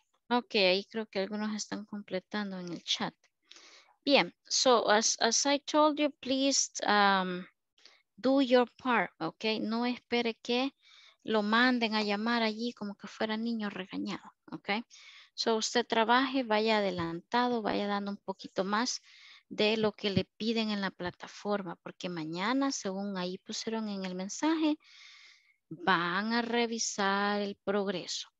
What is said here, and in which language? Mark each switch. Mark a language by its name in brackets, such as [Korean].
[Spanish] Ok, ahí creo que algunos están completando en el chat. [English] Bien, so as I told you, please do your part, ok. [Spanish] No espere que lo manden a llamar allí como que fuera niño regañado, ok. So usted trabaje, vaya adelantado, vaya dando un poquito más de lo que le piden en la plataforma, porque mañana, según ahí pusieron en el mensaje, van a revisar el progreso.